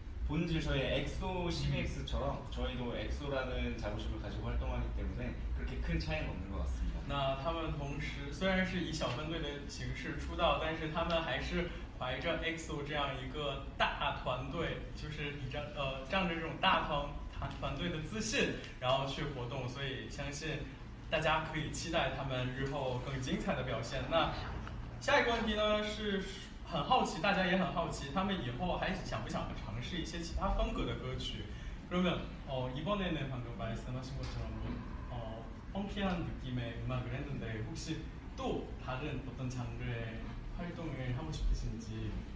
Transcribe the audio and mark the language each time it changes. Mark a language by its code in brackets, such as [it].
[ko] 본질 저희 엑소 CBX처럼 저희도 엑소라는 자부심을 가지고 활동하기 때문에 그렇게 큰 차이는 없는 것 같습니다. [zh] 那他们同时虽然是以小分队的形式出道，但是他们还是 怀着 EXO 这样一个大团队，就是仗着这种大团队的自信，然后去活动，所以相信大家可以期待他们日后更精彩的表现。那下一个问题呢，是很好奇，大家也很好奇，他们以后还想不想尝试一些其他风格的歌曲？ [ko] 그러면 이번에는 방금 말씀하신 것처럼 펑키한 느낌의 음악을 했는데 혹시 또 다른 어떤 장르의 활동을 하고 싶으신지?